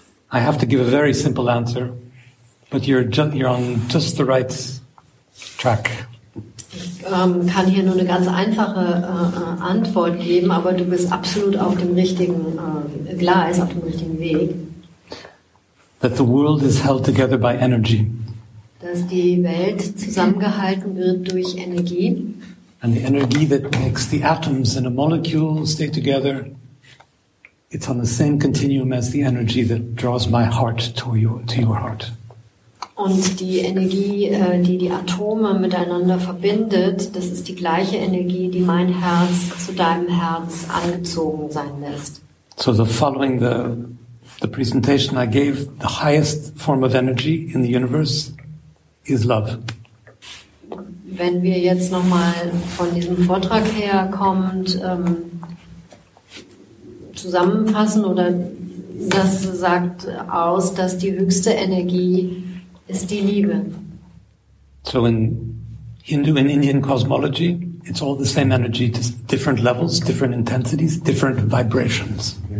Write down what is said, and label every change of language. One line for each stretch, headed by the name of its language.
English: I have to give a very simple answer, but you're on just the right track.
German: Kann hier nur eine ganz einfache Antwort geben, aber du bist absolut auf dem richtigen Gleis, auf dem richtigen Weg.
English: That the world is held together by energy.
German: Dass die Welt zusammengehalten wird durch Energie.
English: And the energy that makes the atoms in a molecule stay together, it's on the same continuum as the energy that draws my heart to your heart.
German: Und die Energie, die die Atome miteinander verbindet, das ist die gleiche Energie, die mein Herz zu deinem Herz angezogen sein lässt.
English: So the following the presentation I gave, the highest form of energy in the universe is love.
German: Wenn wir jetzt nochmal von diesem Vortrag her kommend zusammenfassen, oder das sagt aus, dass die höchste Energie ist die Liebe.
English: So in Hindu and Indian cosmology, it's all the same energy, just different levels, different intensities, different vibrations.